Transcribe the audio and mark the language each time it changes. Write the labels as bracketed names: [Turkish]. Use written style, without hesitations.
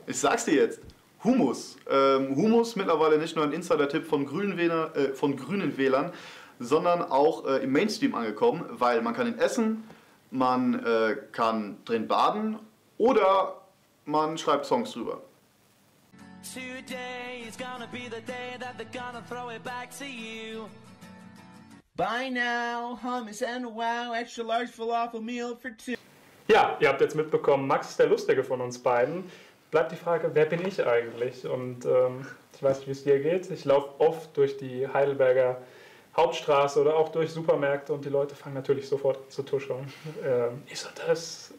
[German] Ich sag's dir jetzt. Humus. Humus, mittlerweile nicht nur ein Insider-Tipp von grünen Wählern, sondern auch im Mainstream angekommen, weil man kann ihn essen, man kann drin baden oder man schreibt Songs drüber. [English] Today is gonna be the day that they're gonna throw it back to you. By now, hummus and wow, extra large falafel meal for two. [German] Ja, ihr habt jetzt mitbekommen, Max ist der Lustige von uns beiden. Bleibt die Frage, wer bin ich eigentlich? Und ich weiß nicht, wie es dir geht. Ich laufe oft durch die Heidelberger Hauptstraße oder auch durch Supermärkte und die Leute fangen natürlich sofort zu tuscheln. Ist er das?